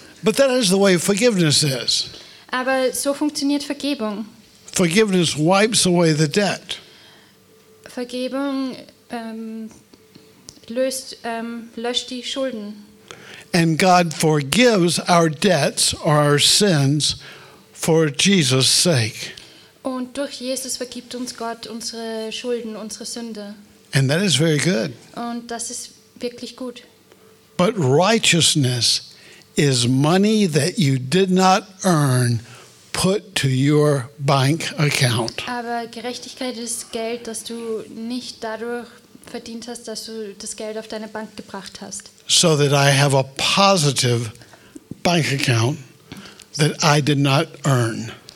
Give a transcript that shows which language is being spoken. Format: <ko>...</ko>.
<en>But that is the way forgiveness is.</en> <de>Aber so funktioniert Vergebung.</de> <en>Forgiveness wipes away the debt.</en> <de>Vergebung löscht die Schulden.</de> <en>And God forgives our debts or our sins for Jesus' sake.</en> <de>Und durch Jesus vergibt uns Gott unsere Schulden, unsere Sünde.</de> <en>And that is very good.</en> <de>Und das ist wirklich gut.</de> <en>But righteousness is money that you did not earn put to your bank account.</en> <de>Aber Gerechtigkeit ist Geld, das du nicht dadurch verdient hast, dass du das Geld auf deine Bank gebracht hast.</de> <en>So that I have a positive bank account that I did not earn.</en>